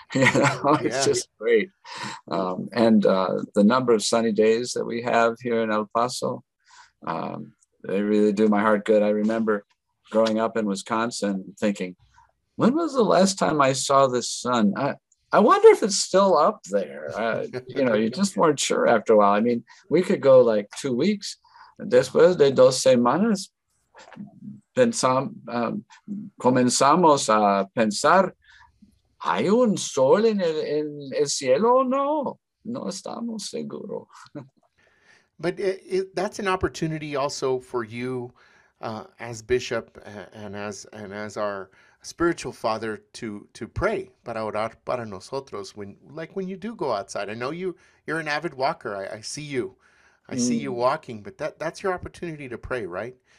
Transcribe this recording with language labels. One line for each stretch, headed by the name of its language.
English: You know, it's just great. And the number of sunny days that we have here in El Paso, they really do my heart good. I remember growing up in Wisconsin thinking, when was the last time I saw the sun? I wonder if it's still up there. You know, you just weren't sure after a while. I mean, we could go like 2 weeks.
Spanish: Después de dos semanas, comenzamos a pensar, ¿hay un sol en el cielo? No estamos seguros.
English: But that's an opportunity also for you as bishop and as our spiritual father to pray,
Spanish: para orar para nosotros,
English: when you do go outside. I know you're an avid walker. I see you. I see you walking, but that's your opportunity to pray, right?